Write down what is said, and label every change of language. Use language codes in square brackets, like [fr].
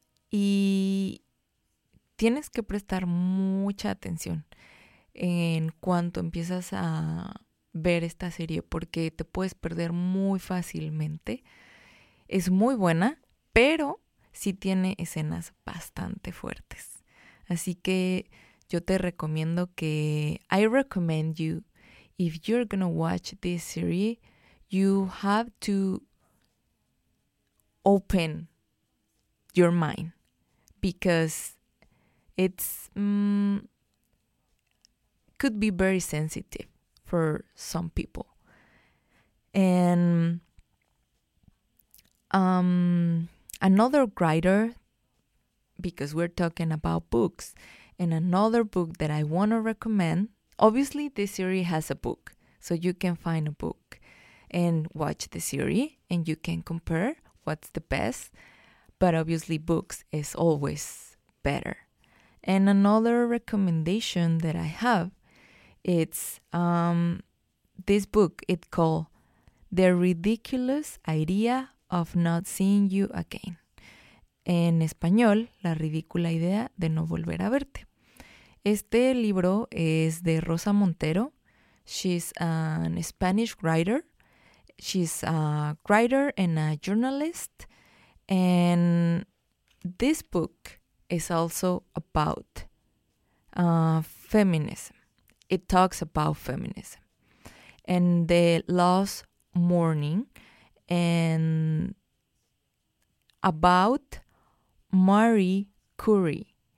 [es] Y tienes que prestar mucha atención en cuanto empiezas a ver esta serie, porque te puedes perder muy fácilmente. Es muy buena, pero sí tiene escenas bastante fuertes. Así que yo te recomiendo que... [en] I recommend you, if you're gonna watch this series, you have to open your mind, because it's could be very sensitive for some people. And another writer, because we're talking about books, and another book that I want to recommend, obviously this series has a book, so you can find a book and watch the series and you can compare what's the best, but obviously books is always better. And another recommendation that I have, it's this book, it's called The Ridiculous Idea of Not Seeing You Again. [es] En español, La Ridícula Idea de No Volver a Verte. Este libro es de Rosa Montero. [en] She's an Spanish writer. She's a writer and a journalist. And this book is also about feminism. It talks about feminism and the lost mourning, and about Marie Curie.